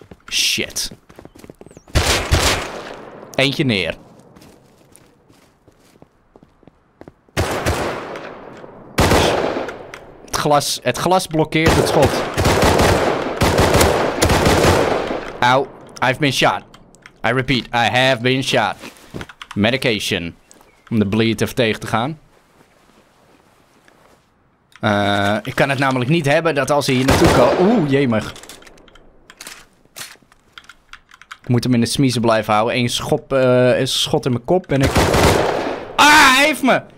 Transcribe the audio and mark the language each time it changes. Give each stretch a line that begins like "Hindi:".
English: Shit.
Dutch: Eentje neer. Het glas blokkeert het schot.
English: Ow. I've been shot. I repeat, I have been shot. Medication.
Dutch: Om de bleed even tegen te gaan. Ik kan het namelijk niet hebben dat als hij hier naartoe kan... Oeh, jemig. Ik moet hem in de smiezen blijven houden. Eén schot in mijn kop en ik... Ah, hij heeft me!